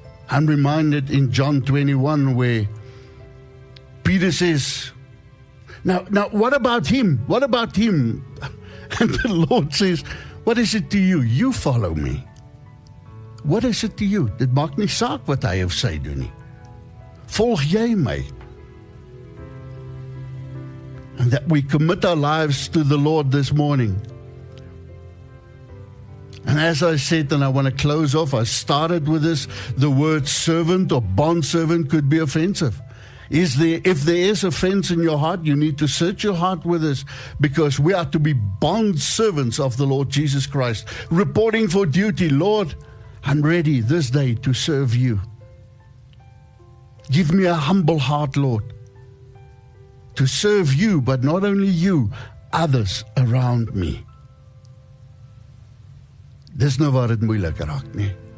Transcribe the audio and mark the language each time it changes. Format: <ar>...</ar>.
<en>I'm reminded in John 21 where Peter says, now, what about him? What about him? And the Lord says, what is it to you? You follow Me. What is it to you?</en> <af>Dit maak nie saak wat hy of sy doen nie. Volg jy my?</af> <en>And that we commit our lives to the Lord this morning. And as I said, and I want to close off, I started with this, the word servant or bondservant could be offensive. If there is offense in your heart, you need to search your heart with this, because we are to be bond servants of the Lord Jesus Christ, reporting for duty. Lord, I'm ready this day to serve you. Give me a humble heart, Lord, to serve you, but not only you, others around me.</en> <af>Dis nou waar het moeilik raak, nie?</af>